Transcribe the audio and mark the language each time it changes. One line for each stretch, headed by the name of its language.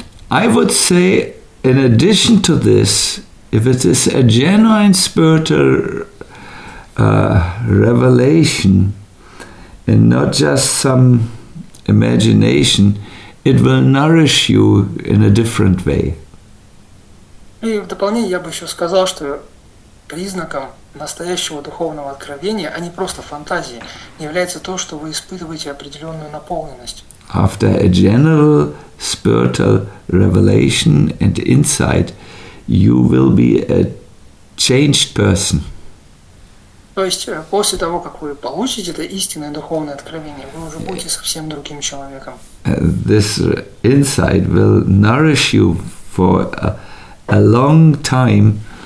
English: I would say, in addition to this, if it is a genuine spiritual revelation and not just some imagination, it will nourish you in a different way.
Russian: И в дополнение я бы еще сказал, что признаком настоящего духовного откровения, а не просто фантазии, является то, что вы испытываете определенную наполненность.
English: After a general spiritual revelation and insight, you will be a changed person.
Russian: То есть после того, как вы получите это истинное духовное откровение, вы уже будете совсем другим человеком.
English: This insight will nourish you for a long time.